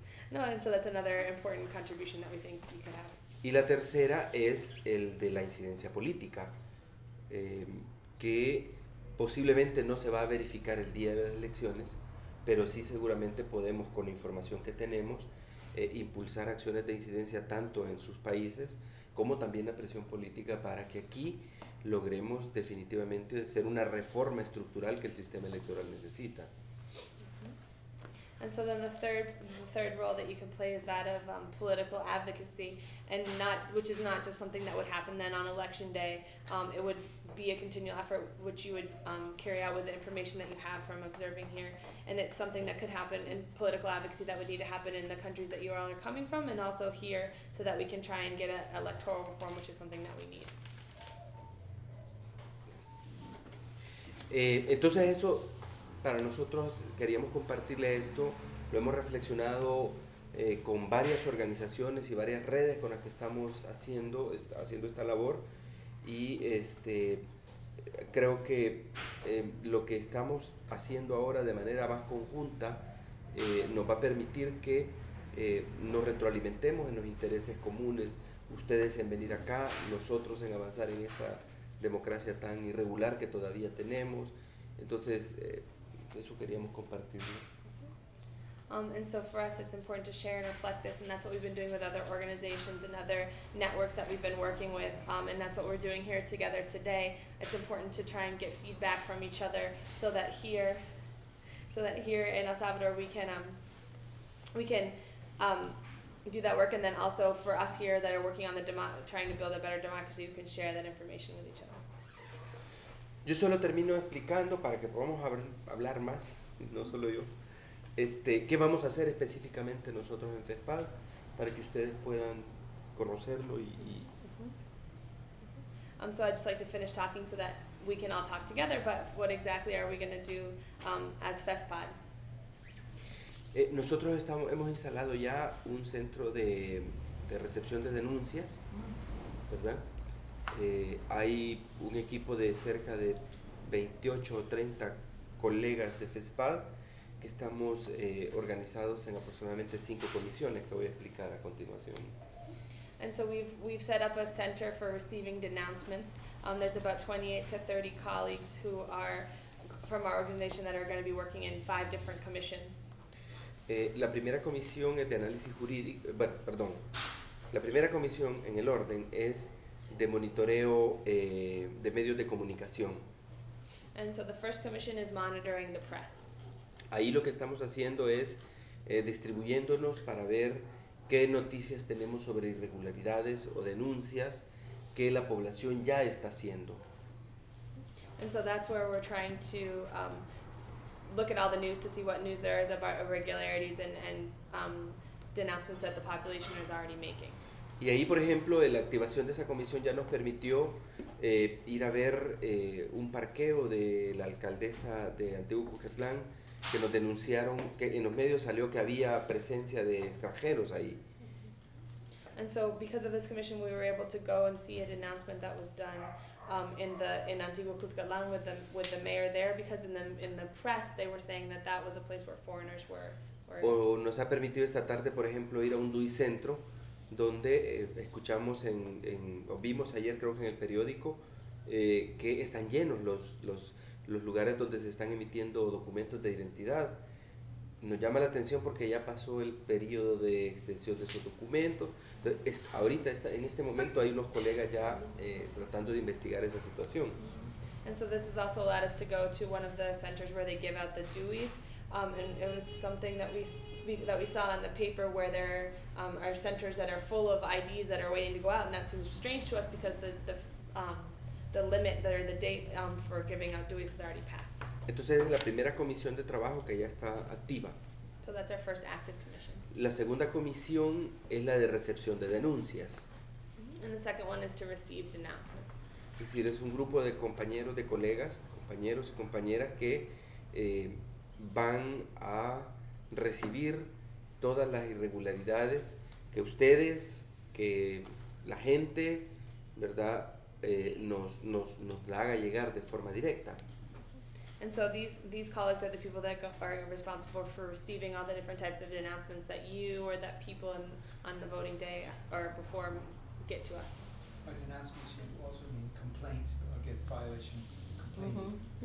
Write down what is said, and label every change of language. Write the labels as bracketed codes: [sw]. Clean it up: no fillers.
[en] no, and so that's another important contribution that we think you could have. [es] Y la tercera es el de la incidencia política, que posiblemente no se va a verificar el día de las elecciones, pero sí seguramente podemos, con la información que tenemos, impulsar acciones de incidencia tanto en sus países como también la presión política para que aquí logremos definitivamente hacer una reforma estructural que el sistema electoral necesita. [en] And so then the third role that you can play is that of political advocacy, and not which is not just something that would happen then on election day. It would be a continual effort which you would carry out with the information that you have from observing here, and it's something that could happen in political advocacy that would need to happen in the countries that you all are coming from, and also here, so that we can try and get an electoral reform, which is something that we need. [es] Entonces eso. Para nosotros queríamos compartirle esto, lo hemos reflexionado con varias organizaciones y varias redes con las que estamos haciendo esta labor, y creo que lo que estamos haciendo ahora de manera más conjunta nos va a permitir que nos retroalimentemos en los intereses comunes, ustedes en venir acá, nosotros en avanzar en esta democracia tan irregular que todavía tenemos. Entonces, eso queríamos compartirlo. [en] And so for us it's important to share and reflect this, and that's what we've been doing with other organizations and other networks that we've been working with, and that's what we're doing here together today. It's important to try and get feedback from each other so that here in El Salvador we can do that work, and then also for us here that are working on the trying to build a better democracy, we can share that information with each other. [es] Yo solo termino explicando para que podamos hablar más, no solo yo, qué vamos a hacer específicamente nosotros en FESPAD para que ustedes puedan conocerlo y [en] So I'd just like to finish talking so that we can all talk together, but what exactly are we going to do as FESPAD? [es] Nosotros hemos instalado ya un centro de recepción de denuncias, ¿verdad? Hay un equipo de cerca de 28 o 30 colegas de FESPAD que estamos organizados en aproximadamente 5 comisiones que voy a explicar a continuación. [en] And so we've set up a center for receiving denouncements. There's about 28 to 30 colleagues who are from our organization that are going to be working in 5 different commissions. [es] La primera comisión es de análisis jurídico, perdón. La primera comisión en el orden es de monitoreo de medios de comunicación. [en] And so the first commission is monitoring the press. [es] Ahí lo que estamos haciendo es distribuyéndonos para ver qué noticias tenemos sobre irregularidades o denuncias que la población ya está haciendo. [en] And so that's where we're trying to look at all the news to see what news there is about irregularities and denouncements that the population is already making. [es] Y ahí, por ejemplo, la activación de esa comisión ya nos permitió ir a ver un parqueo de la alcaldesa de Antiguo Cuquitlán, que nos denunciaron, que en los medios salió que había presencia de extranjeros ahí. [en] And so, because of this commission, we were able to go and see an announcement that was done in Antiguo Cuscatlán with the mayor there, because in the press they were saying that was a place where foreigners were. [es] O nos ha permitido esta tarde, por ejemplo, ir a un DUI centro, donde escuchamos vimos ayer, creo que en el periódico, que están llenos los lugares donde se están emitiendo documentos de identidad. Nos llama la atención porque ya pasó el periodo de extensión de esos documentos. Entonces, en este momento hay unos colegas ya tratando de investigar esa situación. [en] And so this has also led us to go to one of the centers where they give out the DUIs. And it was something that we saw in the paper where there are centers that are full of IDs that are waiting to go out, and that seems strange to us because the limit or the date for giving out DUIs has already passed. [es] Entonces, la primera comisión de trabajo que ya está activa. [en] So that's our first active commission. [es] La segunda comisión es la de recepción de denuncias. Mm-hmm. [en] And the second one is to receive denouncements. [es] Es decir, es un grupo de compañeros, de colegas, compañeros y compañeras que van a recibir todas las irregularidades que ustedes, que la gente, ¿verdad?, nos la haga llegar de forma directa. [en] And so these colleagues are the people that are responsible for receiving all the different types of denouncements that you or that people on the voting day or before get to us. By denouncements, you also mean complaints against violations.